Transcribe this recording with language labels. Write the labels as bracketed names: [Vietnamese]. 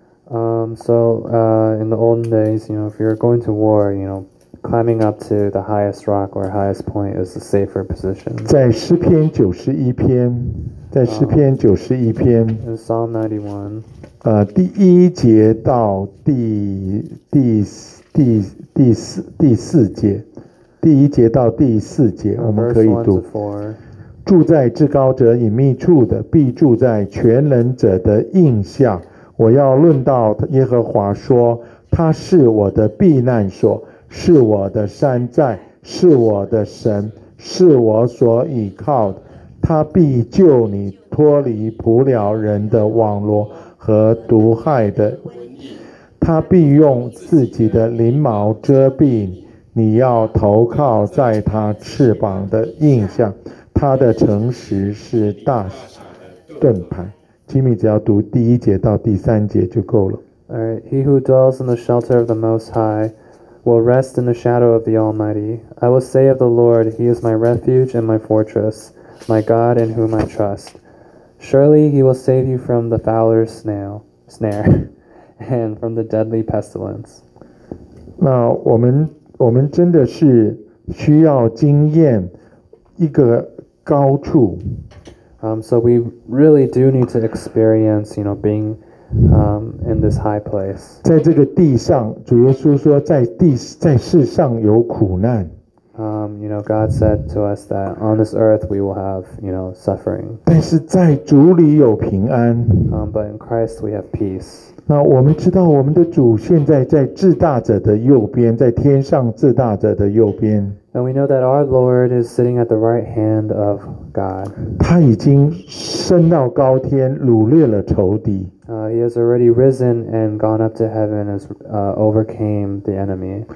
[English] In the olden days, you know, if you're going to war, you know. Climbing up to the highest rock or highest point is the safer position. [Chinese] 在诗篇九十一篇，在诗篇九十一篇。 [English] In Psalm 91. [Chinese] 第一节到第第第四节，第一节到第四节，我们可以读。住在至高者隐秘处的，必住在全能者的荫下。我要论到耶和华说，他是我的避难所，是我的山寨，是我的神，是我所倚靠的。他必救你脱离捕鸟人的网罗和毒害的，他必用自己的翎毛遮蔽你，你要投靠在他翅膀的荫下，他的诚实是大盾牌。请你只要读第一节到第三节就够了。 [English] He who dwells in the shelter of the Most High will rest in the shadow of the Almighty. I will say of the Lord, He is my refuge and my fortress, my God in whom I trust. Surely He will save you from the fowler's snare and from the deadly pestilence. [Chinese] 那我们真的是需要经验一个高处。 [English] So we really do need to experience, you know, being in this high place. [Chinese] 在这个地上，主耶稣说，在世上有苦难。 [English] You know, God said to us that on this earth we will have, you know, suffering. [Chinese] 但是在主里有平安。 [English] But in Christ we have peace. [Chinese] 那我们知道我们的主现在在至大者的右边，在天上至大者的右边。 [English] And we know that our Lord is sitting at the right hand of God. [Chinese] 他已经升到高天，掳掠了仇敌。 [English] He has already risen and gone up to heaven as overcame the enemy.